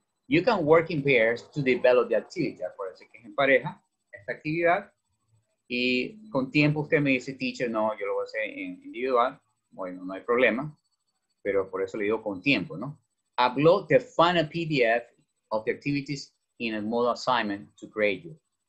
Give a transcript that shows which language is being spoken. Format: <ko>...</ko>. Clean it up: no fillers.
<en>You can work in pairs to develop the activity.</en> <es>Acuérdense que es en pareja esta actividad. Y con tiempo usted me dice, teacher, no, yo lo voy a hacer en individual. Bueno, no hay problema. Pero por eso le digo con tiempo, ¿no?</es> <en>Upload the final PDF of the activities in a Moodle assignment to grade you.</en>